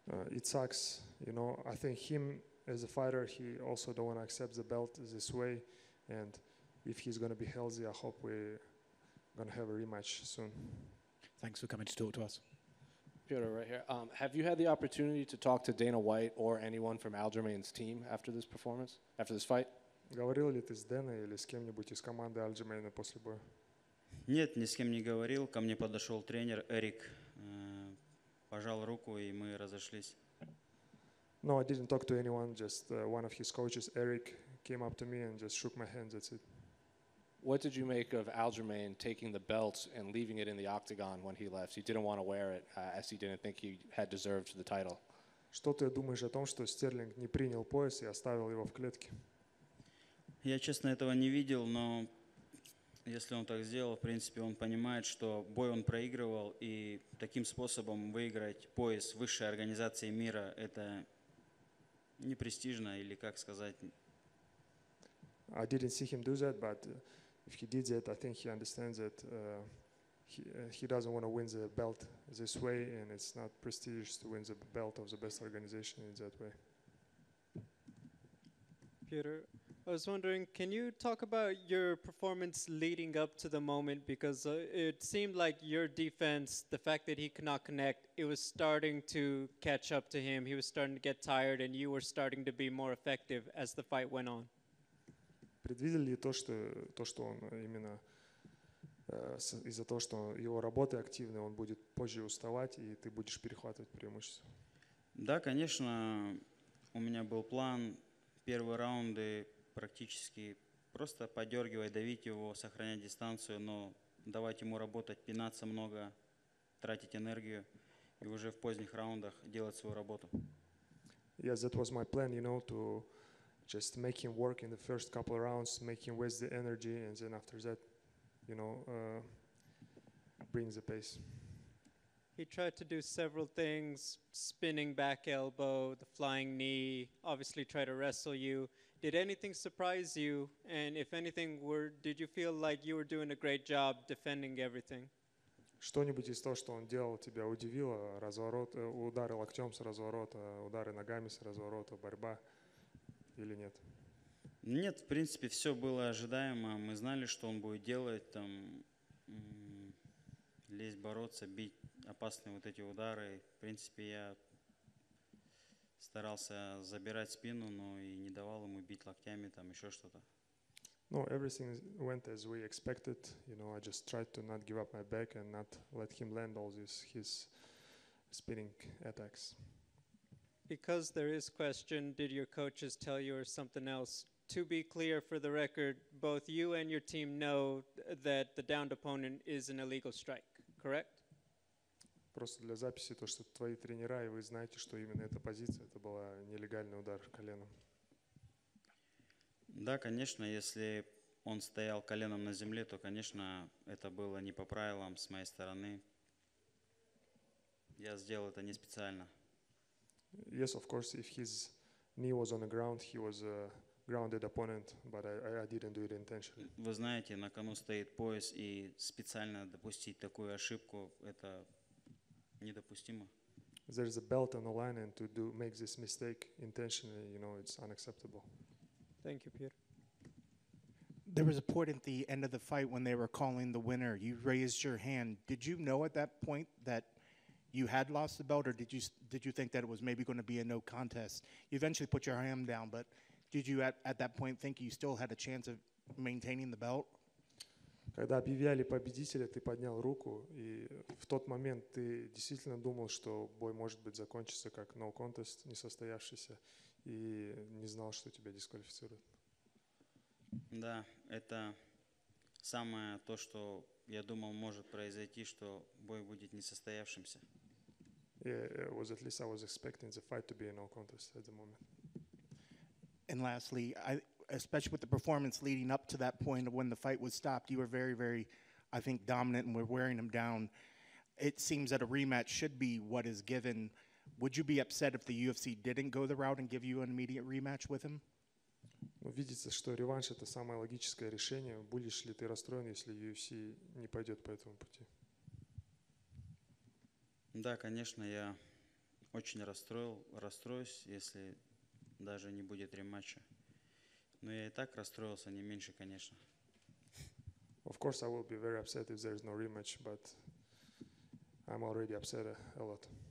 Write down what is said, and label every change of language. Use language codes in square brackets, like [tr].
[en] It sucks, I think him as a fighter, he also don't want to accept the belt this way, and if he's going to be healthy, I hope we're going to have a rematch soon. Thanks for coming to talk to us. Peter, right here. Have you had the opportunity to talk to Dana White or anyone from Aljamain's team after this performance, after this fight? [ru] Говорил ли ты с Дэной или с кем-нибудь из команды Альджамейна после боя? Нет, ни с кем не говорил. Ко мне подошел тренер Эрик, пожал руку, и мы разошлись. [en] No, I didn't talk to anyone. Just one of his coaches, Eric, came up to me and just shook my hand. That's it. What did you make of Aljamain taking the belt and leaving it in the octagon when he left? He didn't want to wear it, as he didn't think he had deserved the title. [ru] Что ты думаешь о том, что Стерлинг не принял пояс и оставил его в клетке? Я, честно, этого не видел, но если он так сделал, в принципе, он понимает, что бой он проигрывал, и таким способом выиграть пояс высшей организации мира – это не престижно, или как сказать? [en] I didn't see him do that, but if he did that, I think he understands that he doesn't want to win the belt this way, and it's not prestigious to win the belt of the best organization in that way. Peter, I was wondering, can you talk about your performance leading up to the moment? Because it seemed like your defense, the fact that he could not connect, it was starting to catch up to him. He was starting to get tired, and you were starting to be more effective as the fight went on. [ru] Предвидел ли то, что он именно из-за того, что его работы активны, он будет позже уставать, и ты будешь перехватывать преимущество? Да, конечно, у меня был план первые раунды практически просто подергивать, давить его, сохранять дистанцию, но давать ему работать, пинаться много, тратить энергию и уже в поздних раундах делать свою работу. [en] Yes, that was my plan, you know, to just make him work in the first couple of rounds, make him waste the energy, and then after that, you know, bring the pace. He tried to do several things, spinning back elbow, the flying knee, obviously tried to wrestle you. Did anything surprise you? And if anything, did you feel like you were doing a great job defending everything? [ru] Что-нибудь из того, что он делал, тебя удивило? Разворот, удары локтем с разворота, удары ногами с разворота, борьба или нет? Нет, в принципе, все было ожидаемо. Мы знали, что он будет делать, там, лезть, бороться, бить. Опасные вот эти удары. В принципе, я старался забирать спину, но и не давал ему бить локтями, там еще что-то. [en] No, everything went as we expected. You know, I just tried to not give up my back and not let him land all his spinning attacks. Because there is question, did your coaches tell you or something else? To be clear for the record, both you and your team know that the downed opponent is an illegal strike, correct? [ru] Просто для записи, то, что твои тренера, и вы знаете, что именно эта позиция, это была нелегальный удар коленом. Да, конечно, если он стоял коленом на земле, то, конечно, это было не по правилам с моей стороны. Я сделал это не специально. [en] Yes, of course, if his knee was on the ground, he was a grounded opponent, but I didn't do it intentionally. [ru] Вы знаете, на кону стоит пояс, и специально допустить такую ошибку, это... недопустимо. [en] There's a belt on the line, and to do make this mistake intentionally, you know, it's unacceptable. Thank you, Peter. There was a point at the end of the fight when they were calling the winner. You raised your hand. Did you know at that point that you had lost the belt, or did you think that it was maybe going to be a no contest? You eventually put your hand down, but did you at that point think you still had a chance of maintaining the belt? [ru] Когда объявляли победителя, ты поднял руку, и в тот момент ты действительно думал, что бой может быть закончится как no contest, несостоявшийся, и не знал, что тебя дисквалифицируют. Да, это самое то, что я думал может произойти, что бой будет несостоявшимся. [en] Yeah, was at least I was expecting the fight to be a no contest at the moment. And lastly, especially with the performance leading up to that point of when the fight was stopped, you were very, very, I think, dominant and were wearing him down. It seems that a rematch should be what is given. Would you be upset if the UFC didn't go the route and give you an immediate rematch with him? [ru] Ну, видится, что реванш – это самое логическое решение. Будешь ли ты расстроен, если UFC не пойдет по этому пути? Да, конечно, я очень расстроюсь, если даже не будет рематча. Но я и так расстроился, не меньше, конечно. [en] Of course, I will be very upset if there's no rematch, but I'm already upset a lot.